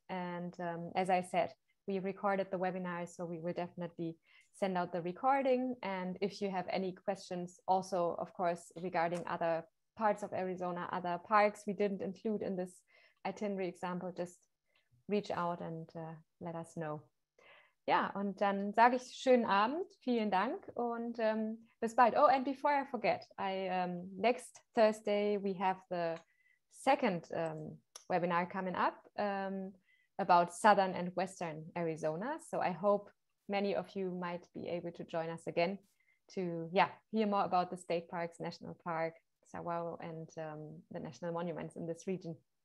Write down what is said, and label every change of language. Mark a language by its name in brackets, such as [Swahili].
[English] And as I said, we recorded the webinar, so we will definitely send out the recording. And if you have any questions also, of course, regarding other parts of Arizona, other parks we didn't include in this itinerary example, just reach out and let us know. [German] Ja, und dann sage ich schönen Abend, vielen Dank und bis bald. [English] Oh, and before I forget, next Thursday we have the second webinar coming up about Southern and Western Arizona. So I hope many of you might be able to join us again to hear more about the state parks, national park, Sawao, and the national monuments in this region.